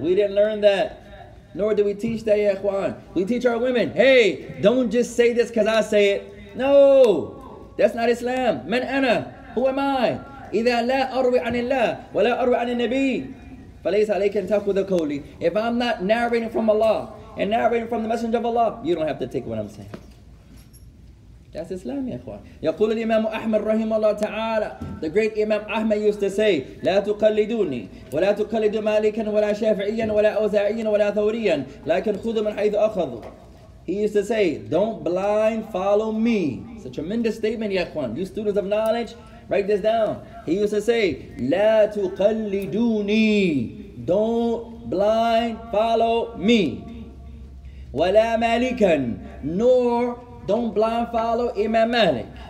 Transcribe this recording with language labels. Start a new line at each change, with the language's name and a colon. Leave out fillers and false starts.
English: We didn't learn that. Nor do we teach that, Ya Ikhwan. We teach our women, hey, don't just say this because I say it. No, that's not Islam.
Arabic: Man ana,
English: who am I?
Arabic: إِذَا لَا أَرْوِ عَنِ اللَّهِ وَلَا أَرْوِ عَنِ النَّبِيِّ فَلَيْسَ عَلَيْكَ أَنْ تَأْخُذَ قَوْلِي.
English: If I'm not narrating from Allah, and narrating from the Messenger of Allah, you don't have to take what I'm saying. That's Islam, Ya Ikhwan.
Arabic: يقول الإمام أحمد رحمه الله تعالى.
English: The great Imam Ahmad used to say,
Arabic: لا تقلدوني ولا تقلد مالكا ولا شافعيا ولا أوزاعيا ولا ثوريا لكن خذوا من حيث أخذوا.
English: He used to say, don't blind follow me. It's a tremendous statement, Ya Ikhwan. You students of knowledge, write this down. He used to say,
Arabic: لا تقلدوني.
English: Don't blind follow me.
Arabic: وَلَا مَالِكًا.
English: Nor don't blind follow Imam Malik.